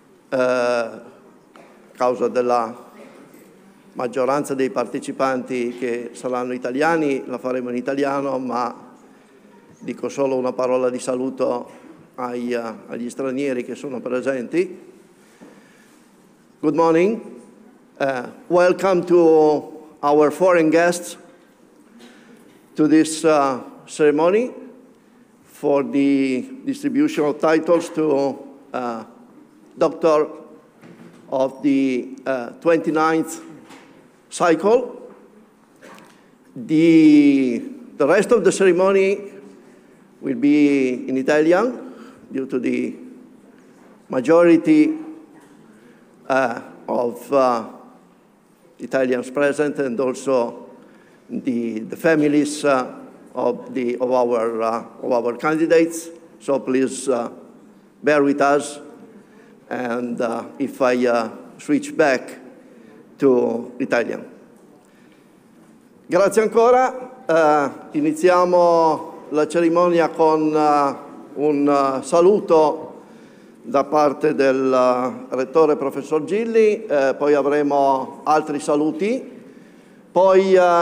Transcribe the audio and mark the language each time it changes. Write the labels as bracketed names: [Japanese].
[Italian] a causa della maggioranza dei partecipanti che saranno italiani, la faremo in italiano, ma dico solo una parola di saluto agli stranieri che sono presenti. [English] Good morning. Welcome to our foreign guests to this ceremony for the distribution of titles to doctor of the 29th cycle. The rest of the ceremony will be in Italian due to the majority of Italians present and also the families of our candidates. So please bear with us, and if I switch back to Italian. [Italian] Grazie ancora. Iniziamo la cerimonia con un saluto da parte del rettore professor Gilli, poi avremo altri saluti, poi